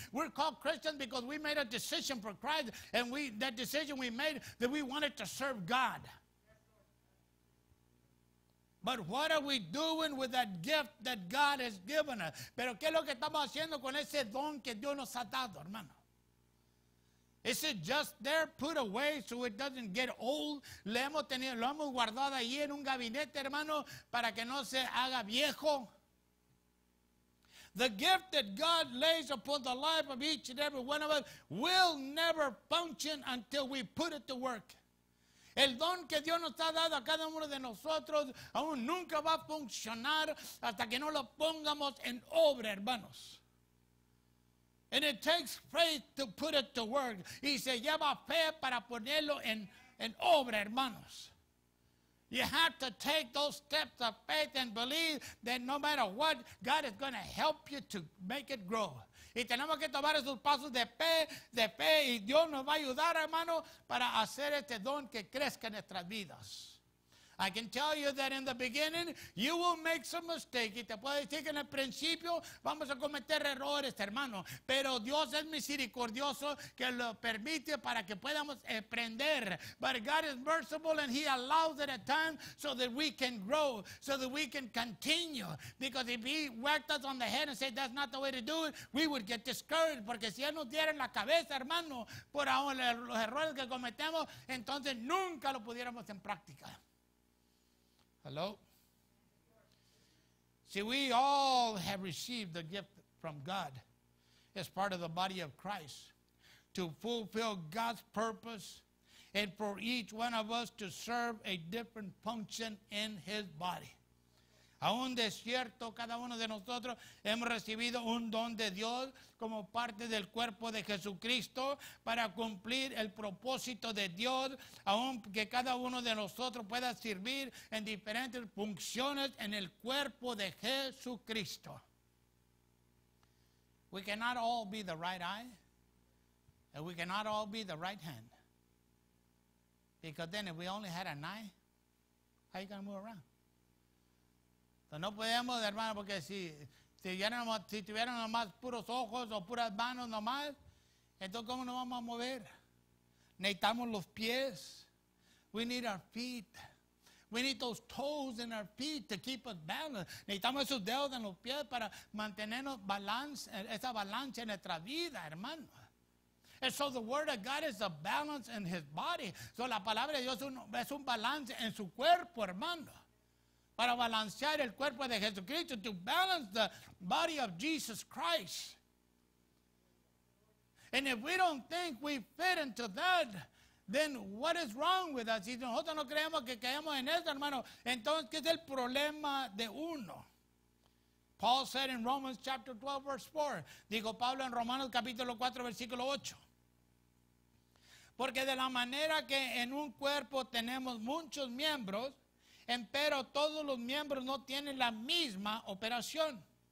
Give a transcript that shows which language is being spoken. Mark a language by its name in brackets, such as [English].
[English] We're called Christians because we made a decision for Christ and that decision we made that we wanted to serve God. But what are we doing with that gift that God has given us? [Spanish] Pero ¿qué es lo que estamos haciendo con ese don que Dios nos ha dado, hermano? [English] Is it just there, put away so it doesn't get old? [Spanish] Le hemos tenido, lo hemos guardado ahí en un gabinete, hermano, para que no se haga viejo. [English] The gift that God lays upon the life of each and every one of us will never function until we put it to work. [Spanish] El don que Dios nos ha dado a cada uno de nosotros aún nunca va a funcionar hasta que no lo pongamos en obra, hermanos. [English] And it takes faith to put it to work. [Spanish] Y se lleva fe para ponerlo en obra, hermanos. [English] You have to take those steps of faith and believe that no matter what, God is going to help you to make it grow. [Spanish] Y tenemos que tomar esos pasos de fe, y Dios nos va a ayudar, hermano, para hacer este don que crezca en nuestras vidas. [English] I can tell you that in the beginning, you will make some mistakes. [Spanish] Y te puedo decir que en el principio vamos a cometer errores, hermano. Pero Dios es misericordioso que lo permite para que podamos aprender. [English] But God is merciful and he allows it a time so that we can grow, so that we can continue. Because if he whacked us on the head and said, that's not the way to do it, we would get discouraged. [Spanish] Porque si él nos diera en la cabeza, hermano, por aún los errores que cometemos, entonces nunca lo pudiéramos en práctica. [English] Hello? See, we all have received the gift from God as part of the body of Christ to fulfill God's purpose and for each one of us to serve a different function in his body. [Spanish] Aún de cierto, cada uno de nosotros hemos recibido un don de Dios como parte del cuerpo de Jesucristo para cumplir el propósito de Dios, aún que cada uno de nosotros pueda servir en diferentes funciones en el cuerpo de Jesucristo. [English] We cannot all be the right eye, and we cannot all be the right hand. Because then if we only had an eye, how are you going to move around? [Spanish] No podemos, hermano, porque si tuvieran nomás puros ojos o puras manos nomás, entonces ¿cómo nos vamos a mover? Necesitamos los pies. [English] We need our feet. We need those toes in our feet to keep us balanced. [Spanish] Necesitamos esos dedos en los pies para mantenernos balance, esa balance en nuestra vida, hermano. [English] And so the word of God is a balance in his body. [Spanish] So la palabra de Dios es un balance en su cuerpo, hermano. Para balancear el cuerpo de Jesucristo, [English] to balance the body of Jesus Christ. And if we don't think we fit into that, then what is wrong with us? [Spanish] Si nosotros no creemos que caemos en eso, hermano, entonces, ¿qué es el problema de uno? [English] Paul said in Romans chapter 12, verse 4, [Spanish] dijo Pablo en Romanos capítulo 4, versículo 8, porque de la manera que en un cuerpo tenemos muchos miembros, empero todos los miembros no tienen la misma operación.